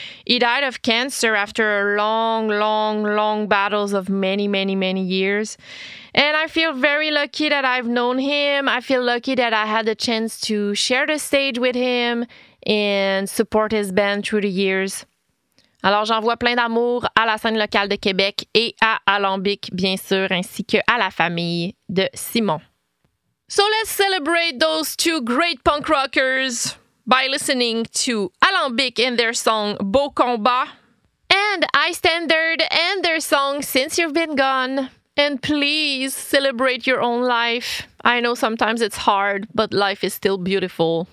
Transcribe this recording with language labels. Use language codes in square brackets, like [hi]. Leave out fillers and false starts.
[en] He died of cancer after long battles of many years. And I feel very lucky that I've known him. I feel lucky that I had the chance to share the stage with him and support his band through the years. [fr] Alors j'envoie plein d'amour à la scène locale de Québec et à Alambic, bien sûr, ainsi que à la famille de Simon. [en] So let's celebrate those two great punk rockers by listening to Alambic and their song Beau Combat, and High Standard and their song Since You've Been Gone. And please celebrate your own life. I know sometimes it's hard, but life is still beautiful.